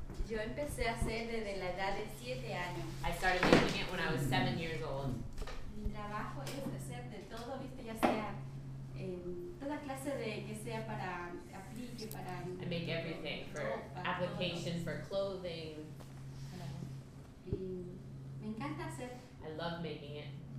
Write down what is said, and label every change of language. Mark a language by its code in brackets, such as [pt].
[es] Yo empecé a hacer desde la edad de 7 años. [en] I started making it when I was 7 years old. [es] Mi trabajo es hacer de todo, viste, ya sea toda clase de que sea para. [en] I make everything for application for clothing. [es] Me encanta hacer. [en] I love making it.